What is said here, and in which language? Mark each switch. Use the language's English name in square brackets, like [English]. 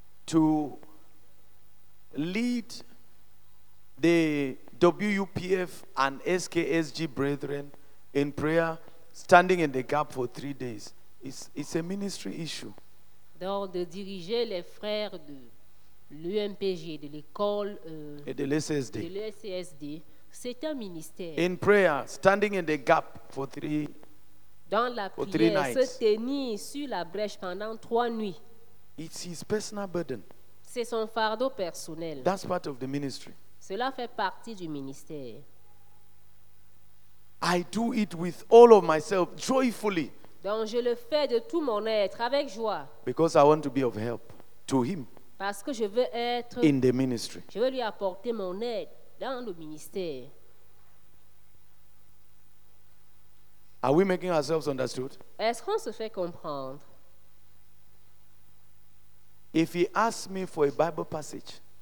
[English] to lead the WUPF and SKSG brethren in prayer, standing in the gap for 3 days. It's a ministry issue. [French] Donc de diriger les frères de l'UMPG, de l'école et de l'SSD. De l'SSD, c'est un ministère. [English] In prayer, standing in the gap for 3 days. [French] Dans la prière, se tenir sur la brèche pendant 3 nuits. [English] It's his personal burden. [French] C'est son fardeau personnel. [English] That's part of the ministry. [French] Cela fait partie du ministère. [English] I do it with all of myself, joyfully. [French] Donc je le fais de tout mon être, avec joie. [English] Because I want to be of help to him. [French] Parce que je veux être [English] in the ministry. [French] Je veux lui apporter mon aide dans le ministère. [English] Are we making ourselves understood? [French] Est-ce qu'on se fait comprendre? [English] If he asks me for a Bible passage,